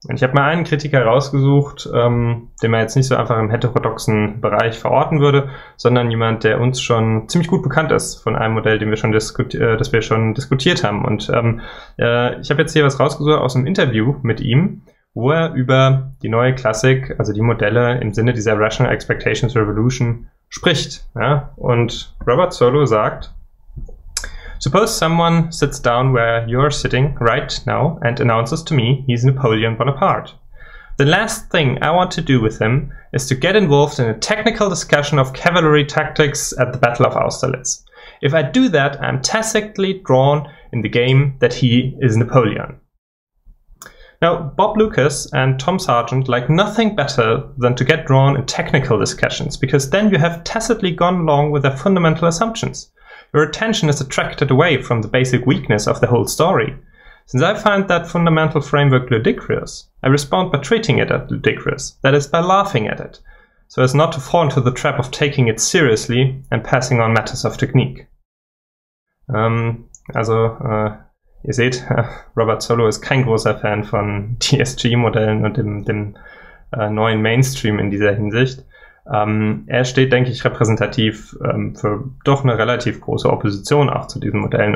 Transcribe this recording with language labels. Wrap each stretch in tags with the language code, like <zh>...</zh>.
<de>Ich habe mal einen Kritiker rausgesucht, den man jetzt nicht so einfach im heterodoxen Bereich verorten würde, sondern jemand, der uns schon ziemlich gut bekannt ist von einem Modell, das wir schon diskutiert haben. Und ich habe jetzt hier was rausgesucht aus einem Interview mit ihm, wo er über die neue Klassik, also die Modelle im Sinne dieser Rational Expectations Revolution spricht. Ja? Und Robert Solow sagt:</de> <en>Suppose someone sits down where you're sitting right now and announces to me he's Napoleon Bonaparte. The last thing I want to do with him is to get involved in a technical discussion of cavalry tactics at the Battle of Austerlitz. If I do that, I'm tacitly drawn in the game that he is Napoleon. Now, Bob Lucas and Tom Sargent like nothing better than to get drawn in technical discussions, because then you have tacitly gone along with their fundamental assumptions. Your attention is attracted away from the basic weakness of the whole story. Since I find that fundamental framework ludicrous, I respond by treating it as ludicrous, that is, by laughing at it, so as not to fall into the trap of taking it seriously and passing on matters of technique.</en> <de>Ihr seht, Robert Solow ist kein großer Fan von TSG-Modellen und dem neuen Mainstream in dieser Hinsicht. Er steht, denke ich, repräsentativ für doch eine relativ große Opposition auch zu diesen Modellen.</de>